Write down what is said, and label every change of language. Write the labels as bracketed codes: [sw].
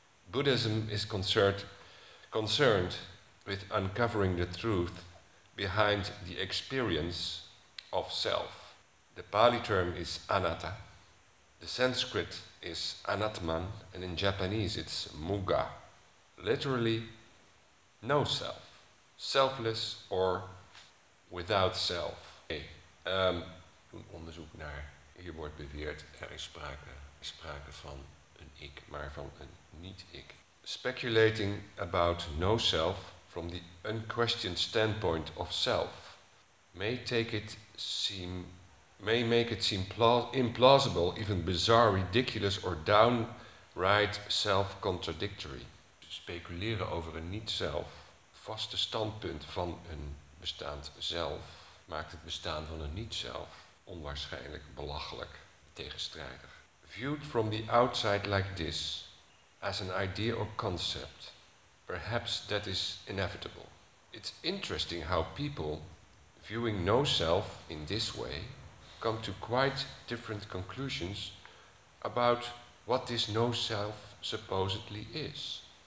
[en] Buddhism is concerned with uncovering the truth behind the experience of self. The Pali term is anatta. The Sanskrit is anatman, and in Japanese it's muga, literally no self, selfless or without self. Okay. [nl] Doe onderzoek naar, hier wordt beweerd, er is sprake van een ik, maar van een niet-ik. [en] Speculating about no self from the unquestioned standpoint of self may make it seem implausible, even bizarre, ridiculous or downright self-contradictory. [nl] Speculeren over een niet-zelf, vaste standpunt van een bestaand zelf, maakt het bestaan van een niet-zelf onwaarschijnlijk, belachelijk, tegenstrijdig. [en] Viewed from the outside like this, as an idea or concept, perhaps that is inevitable. It's interesting how people viewing no self in this way come to quite different conclusions about what this no self supposedly is.